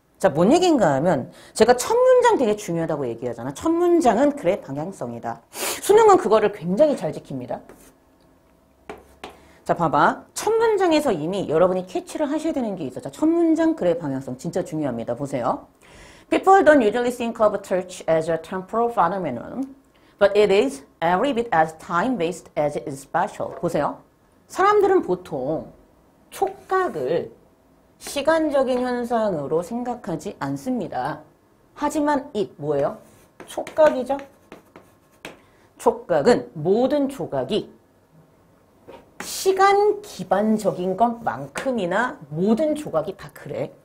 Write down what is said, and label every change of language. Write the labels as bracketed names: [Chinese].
[Korean] 자, 뭔 얘기인가 하면 제가 첫 문장 되게 중요하다고 얘기하잖아. 첫 문장은 그래 방향성이다. 수능은 그거를 굉장히 잘 지킵니다. 자, 봐봐. 첫 문장에서 이미 여러분이 캐치를 하셔야 되는 게 있어. 자, 첫 문장 글의 방향성 진짜 중요합니다. 보세요. [English] People don't usually think of church as a temporal phenomenon, but it is every bit as time-based as it is special. [Korean] 보세요. 사람들은 보통 촉각을 시간적인 현상으로 생각하지 않습니다. 하지만 it 뭐예요? 촉각이죠. 촉각은 모든 조각이 시간 기반적인 것만큼이나 모든 조각이 다 그래.